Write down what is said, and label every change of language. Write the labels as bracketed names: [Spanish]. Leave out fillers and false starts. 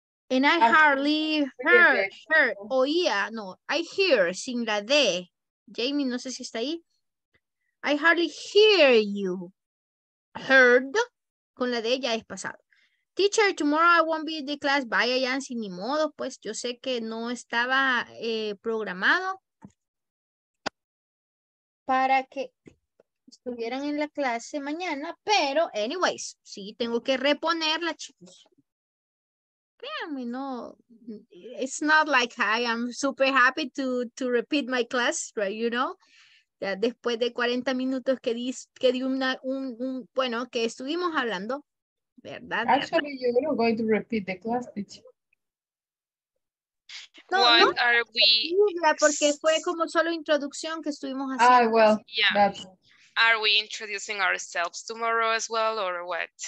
[English] And I hardly heard. I hear, [Spanish] sin la D. [English] Jamie, [Spanish] no sé si está ahí. [English] I hardly hear you. Heard. [Spanish] Con la de ya es pasado. [English] Teacher, tomorrow I won't be in the class. [Spanish] Vaya, Yancy, ni modo. Pues yo sé que no estaba programado para que estuvieran en la clase mañana. Pero, anyways, sí, tengo que reponerla, chicos. Créanme, no. [English] It's not like I am super happy to repeat my class, right? You know? [Spanish] Después de 40 minutos que estuvimos hablando, ¿verdad? [English] Actually, you're not going to repeat the class, teacher. [Spanish] Porque fue como solo introducción que estuvimos haciendo. [English] Ah, well, yeah. Are we introducing ourselves tomorrow as well, or what?